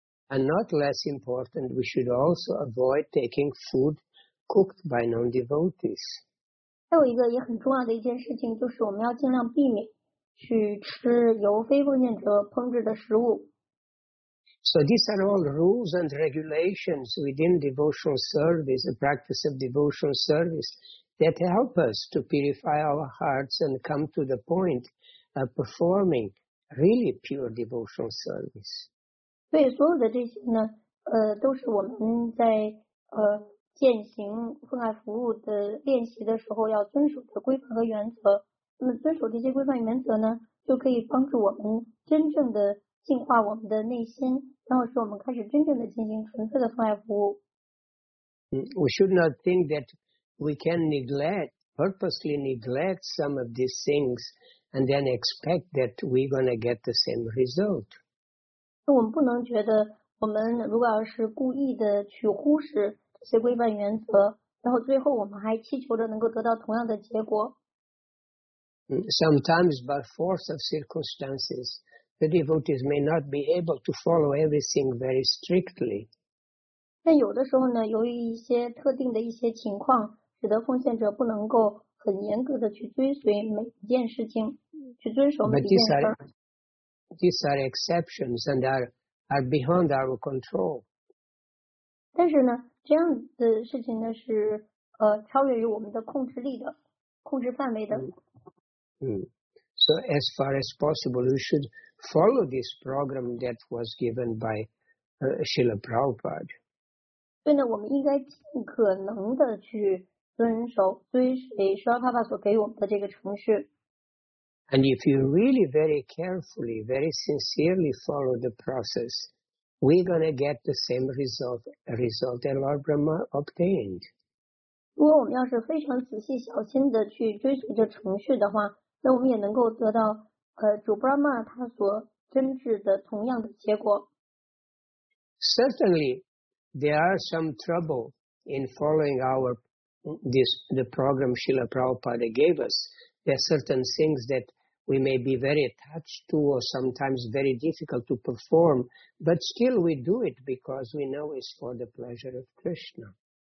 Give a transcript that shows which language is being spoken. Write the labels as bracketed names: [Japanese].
[English] And not less important, we should also avoid taking food. Cooked by non-devotees. [Chinese] 还有一个也很重要的一件事情，就是我们要尽量避免去吃由非奉献者烹制的食物。 [English] So these are all rules and regulations within devotional service, the practice of devotional service, that help us to purify our hearts and come to the point of performing really pure devotional service. [Chinese] 对，所有的这些呢，都是我们在践行奉爱服务的练习的时候要遵守的规范和原则。那么遵守这些规范原则呢，就可以帮助我们真正的净化我们的内心，然后使我们开始真正的进行纯粹的奉爱服务。 [English] We should not think that we can purposely neglect some of these things and then expect that we're going to get the same result. [Chinese] 那我们不能觉得我们如果要是故意的去忽视这些规范原则，然后最后我们还祈求着能够得到同样的结果。 [English] Sometimes by force of circumstances, the devotees may not be able to follow everything very strictly. [Chinese] 但有的时候呢，由于一些特定的一些情况，使得奉献者不能够很严格的去追随每一件事情，去遵守每一件事。 [English] But these are exceptions and are beyond our control. [Chinese] 但是呢？这样的事情呢是超越于我们的控制力的控制范围的。 [English] So as far as possible, you should follow this program that was given by Srila Prabhupada. [Chinese] 所以呢，我们应该尽可能的去追随 Srila Prabhupada 所给我们的这个程序。 [English] And if you really very carefully, very sincerely follow the process,We're going to get the same result that Lord Brahma obtained. [Chinese] 如果我们要是非常仔细小心的去追随着程序的话，那我们也能够得到主 Brahma 他所真挚的同样的结果。 [English] Certainly, there are some trouble in following our the program Srila Prabhupada gave us. There are certain things that we may be very attached to or sometimes very difficult to perform, but still we do it because we know it's for the pleasure of Krishna.